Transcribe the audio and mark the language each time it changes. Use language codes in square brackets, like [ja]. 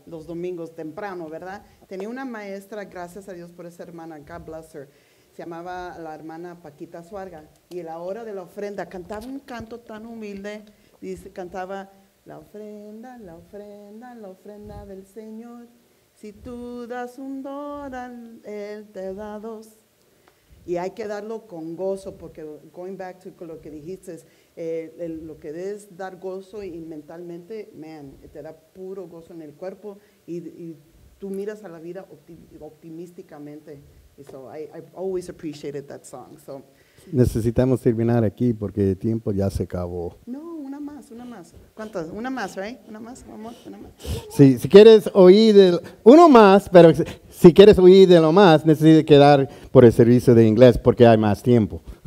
[es] Los domingos temprano, ¿verdad? Tenía una maestra, gracias a Dios por esa hermana, [en] God bless her, [es] se llamaba la hermana Paquita Suarga, y la hora de la ofrenda cantaba un canto tan humilde, dice, cantaba, la ofrenda, la ofrenda del Señor, si tú das un dólar, Él te da dos. Y hay que darlo con gozo, porque [en] going back to [es] lo que dijiste, lo que es dar gozo y mentalmente, man, te da puro gozo en el cuerpo y tú miras a la vida optimísticamente. [en] So I always appreciated that song. So. [es] Necesitamos terminar aquí porque el tiempo ya se acabó. No, una más. ¿Cuántas? Una más, right? Una más. Si quieres oír de uno más, pero si quieres oír de lo más, necesitas quedar por el servicio de inglés porque hay más tiempo.